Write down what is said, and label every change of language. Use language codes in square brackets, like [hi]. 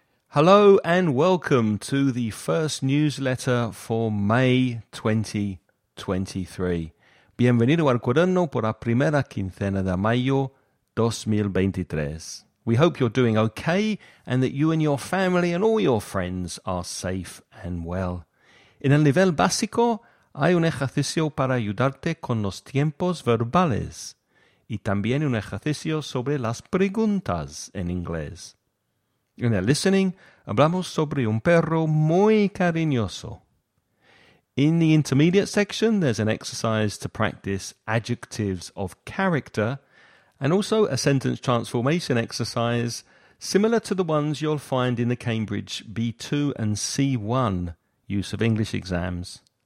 [en] Hello and welcome to the first newsletter for May 2023. [es] Bienvenido al cuaderno por la primera quincena de mayo 2023. [en] We hope you're doing okay and that you and your family and all your friends are safe and well. [es] En el nivel básico, hay un ejercicio para ayudarte con los tiempos verbales y también un ejercicio sobre las preguntas en inglés. En el listening, hablamos sobre un perro muy cariñoso. [en] In the intermediate section, there's an exercise to practice adjectives of character and also a sentence transformation exercise similar to the ones you'll find in the Cambridge B2 and C1 use of English exams.